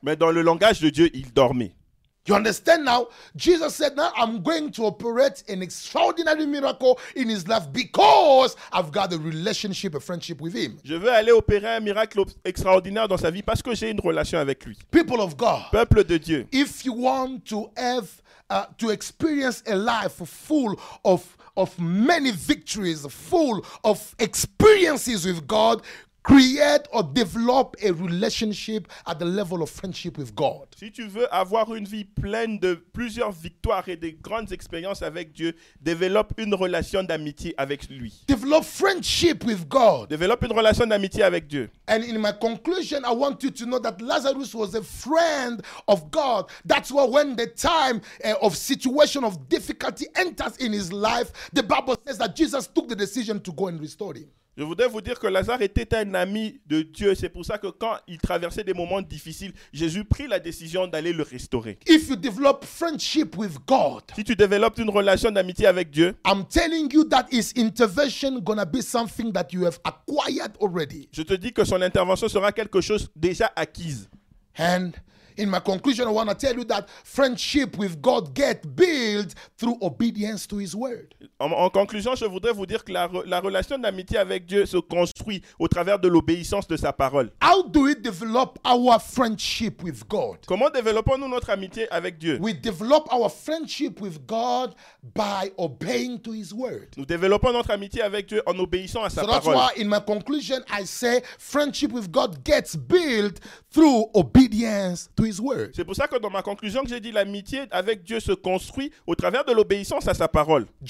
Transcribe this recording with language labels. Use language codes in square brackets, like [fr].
[fr] Mais dans le langage de Dieu, il dormait. [en] You understand now? Jesus said, "Now I'm going to operate an extraordinary miracle in his life because I've got a relationship, a friendship with him." [fr] Je veux aller opérer un miracle extraordinaire dans sa vie parce que j'ai une relation avec lui. [en] People of God. [fr] Peuple de Dieu. [en] If you want to have to experience a life full of many victories, full of experiences with God, create or develop a relationship at the level of friendship with God. [fr] Si tu veux avoir une vie pleine de plusieurs victoires et de grandes expériences avec Dieu, développe une relation d'amitié avec lui. [en] Develop friendship with God. [fr] Développe une relation d'amitié avec Dieu. [en] And in my conclusion, I want you to know that Lazarus was a friend of God. That's why when the time of situation of difficulty enters in his life, the Bible says that Jesus took the decision to go and restore him. [fr] Je voudrais vous dire que Lazare était un ami de Dieu. C'est pour ça que quand il traversait des moments difficiles, Jésus prit la décision d'aller le restaurer. [en] If you develop friendship with God, [fr] si tu développes une relation d'amitié avec Dieu, [en] I'm telling you that his intervention gonna be something that you have acquired already. [fr] Je te dis que son intervention sera quelque chose déjà acquise. [en] And in my conclusion, I want to tell you that friendship with God gets built through obedience to his word. [fr] En conclusion, je voudrais vous dire que la relation d'amitié avec Dieu se construit au travers de l'obéissance de sa parole. [en] How do we develop our friendship with God? [fr] Comment développons-nous notre amitié avec Dieu? [en] We develop our friendship with God by obeying to his word. [fr] Nous développons notre amitié avec Dieu en obéissant à sa parole. [en] So that's why in my conclusion I say friendship with God gets built through obedience to his word. [fr] C'est pour ça que dans ma conclusion que j'ai dit l'amitié avec Dieu se construit au travers de l'obéissance à sa parole.